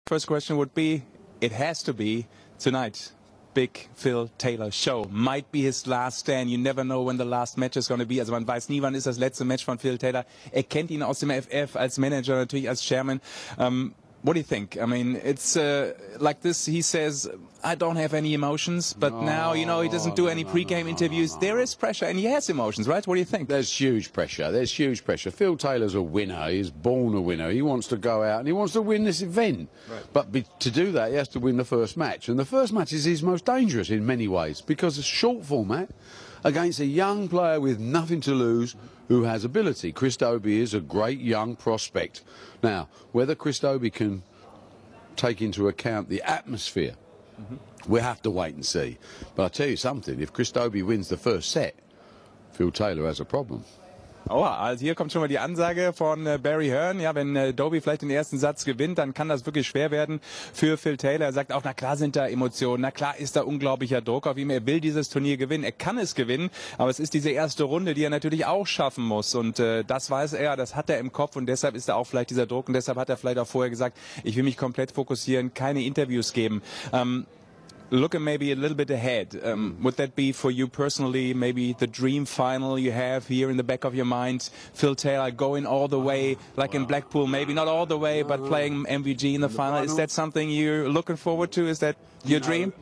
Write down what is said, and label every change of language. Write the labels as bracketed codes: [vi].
[en] First question would be, it has to be tonight. Big Phil Taylor show. Might be his last stand. You never know when the last match is going to be. [de] Also man weiß nie, wann ist das letzte Match von Phil Taylor. Er kennt ihn aus dem FF als Manager, natürlich als Chairman. [en] What do you think? I mean, it's like this. He says, I don't have any emotions, but now, you know, he doesn't do any pregame interviews. There is pressure, and he has emotions, right? What do you think? There's huge pressure. There's huge pressure. Phil Taylor's a winner. He's born a winner. He wants to go out, and he wants to win this event. Right. But to do that, he has to win the first match. And the first match is his most dangerous in many ways, because it's a short format against a young player with nothing to lose who has ability. Chris Dobie is a great young prospect. Now, whether Chris Dobie can take into account the atmosphere, we have to wait and see. But I tell you something, if Chris Dobie wins the first set, Phil Taylor has a problem. [de] Oh, also hier kommt schon mal die Ansage von Barry Hearn. Ja, wenn Dobie vielleicht den ersten Satz gewinnt, dann kann das wirklich schwer werden für Phil Taylor. Er sagt auch, na klar sind da Emotionen, na klar ist da unglaublicher Druck auf ihm. Er will dieses Turnier gewinnen, er kann es gewinnen, aber es ist diese erste Runde, die er natürlich auch schaffen muss. Und das weiß er, das hat er im Kopf und deshalb ist da auch vielleicht dieser Druck. Und deshalb hat er vielleicht auch vorher gesagt, ich will mich komplett fokussieren, keine Interviews geben. [en] Looking maybe a little bit ahead, would that be for you personally maybe the dream final you have here in the back of your mind? Phil Taylor going all the way, like in Blackpool, maybe not all the way, but playing MVG in the final. Is that something you're looking forward to? Is that your dream?